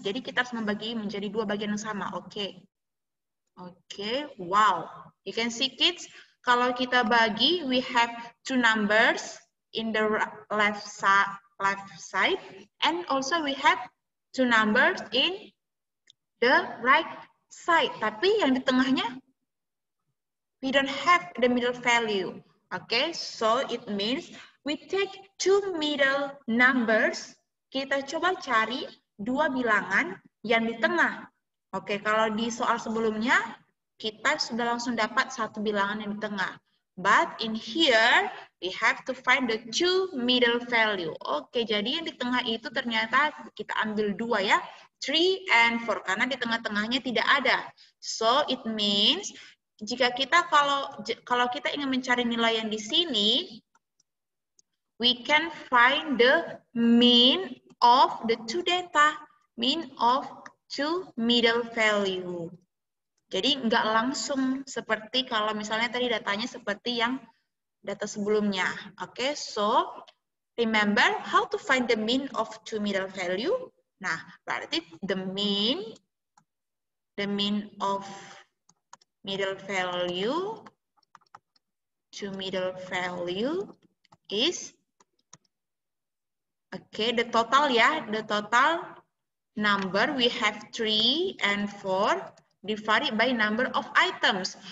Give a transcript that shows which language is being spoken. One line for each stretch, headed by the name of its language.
Indonesian: Jadi kita harus membagi menjadi dua bagian yang sama.
English: Okay. Okay. Wow. You can see kids,
Indonesian: kalau kita bagi,
English: we have two numbers in the left side. And also we have two numbers in the right side.
Indonesian: Tapi yang di tengahnya,
English: we don't have the middle value. Okay, so it means we take two middle numbers.
Indonesian: Kita coba cari dua bilangan yang di tengah. Okay, kalau di soal sebelumnya, kita sudah langsung dapat satu bilangan yang di tengah.
English: But in here, we have to find the two middle value.
Indonesian: Okay, jadi yang di tengah itu ternyata kita ambil dua ya.
English: 3 and 4,
Indonesian: karena di tengah-tengahnya tidak ada.
English: So it means,
Indonesian: jika kita kalau kita ingin mencari nilai yang di sini,
English: we can find the mean of the two data, mean of two middle value.
Indonesian: Jadi nggak langsung seperti kalau misalnya tadi datanya seperti yang data sebelumnya.
English: Okay, so remember how to find the mean of two middle value.
Indonesian: Nah, berarti
English: the mean of middle value, two middle value is okay, the total ya, the total number we have 3 and 4 divided by number of items.